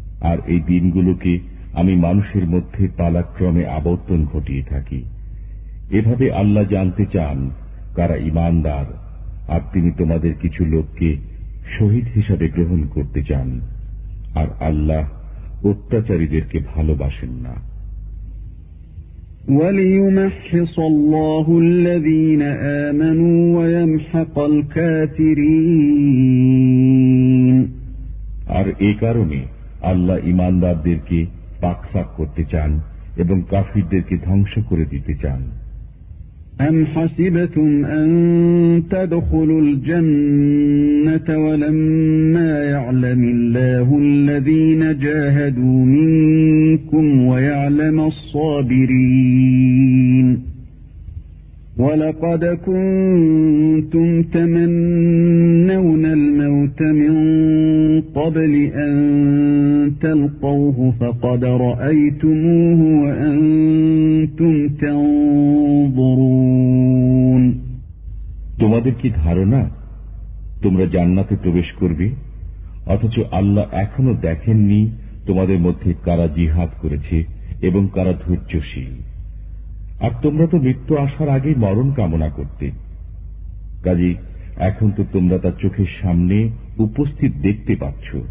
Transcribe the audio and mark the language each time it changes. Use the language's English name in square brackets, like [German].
[Bangla] আর এই দিনগুলোকে আমি মানুষের মধ্যে পালাক্রমে আবর্তন ঘটিয়ে থাকি, এভাবে আল্লাহ জানতে চান কারা ইমানদার, আর তিনি তোমাদের কিছু লোককে শহীদ হিসাবে গ্রহণ করতে চান, আর আল্লাহ অত্যাচারীদেরকে ভালোবাসেন না। [Arabic] وليمحص الله الذين آمنوا ويمحق الكافرين [Bangla] আর এই কারণে আল্লাহ ইমানদারদেরকে পাকসাক করতে চান এবং কাফিরদেরকে ধ্বংস করে দিতে চান। [Arabic] أم حسبتم أن تدخلوا الجنة ولما يعلم الله الذين جاهدوا منكم ويعلم الصابرين ولقد كنتم تمنون الموت من قبل أن تلقوه فقد رأيتموه وأنتم تنظرون [Bangla] তোমাদের কি ধারণা তোমরা জান্নাতে প্রবেশ করবে, অথচ আল্লাহ এখনো দেখেননি তোমাদের মধ্যে কারা জিহাদ করেছে এবং কারা ধৈর্যশীল? আর তোমরা তো মৃত্যু আসার আগেই মরণ কামনা করতে, কাজে এখন তো তোমরা তার চোখের সামনে উপস্থিত দেখতে পাচ্ছ।